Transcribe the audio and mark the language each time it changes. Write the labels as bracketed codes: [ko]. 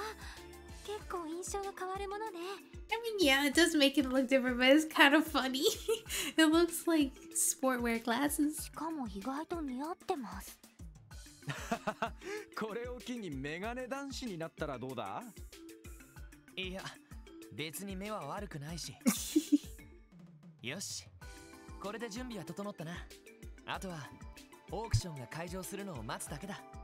[ja] どうかな。へえ。驚いた。結構印象が変わるものね。 [en] I mean, yeah, it does make it look different, but it's kind of funny. It looks like sportwear glasses. [ja] しかも意外と似合ってます。これを機にメガネ男子になったらどうだ？いや、別に目は悪くないし。よし、これで準備は整ったな。あとはオークションが会場するのを待つだけだ。